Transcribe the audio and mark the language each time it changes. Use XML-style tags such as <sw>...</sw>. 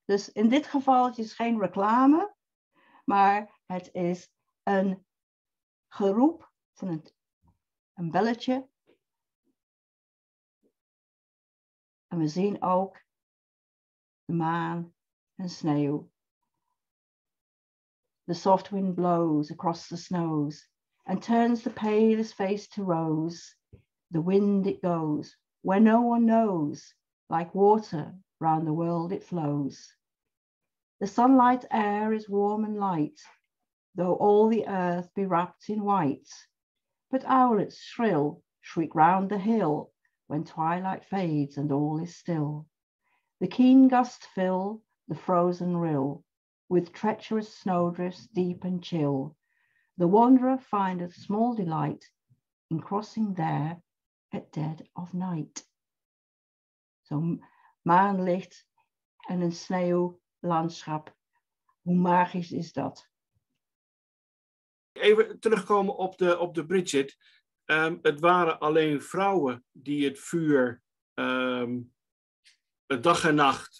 <nl>Dus in dit geval het is geen reclame. Maar het is een geroep van een belletje. En we zien ook de maan en sneeuw.</nl> <en>The soft wind blows across the snows and turns the palest face to rose. The wind it goes where no one knows. Like water round the world it flows. The sunlight air is warm and light, though all the earth be wrapped in white. But owlets shrill shriek round the hill when twilight fades and all is still. The keen gusts fill the frozen rill with treacherous snowdrifts deep and chill. The wanderer findeth small delight in crossing there at dead of night.</en> <nl>So maanlicht en een sneeuw. Landschap. Hoe magisch is dat? Even terugkomen op de Bridget. Het waren alleen vrouwen die het vuur dag en nacht.</nl>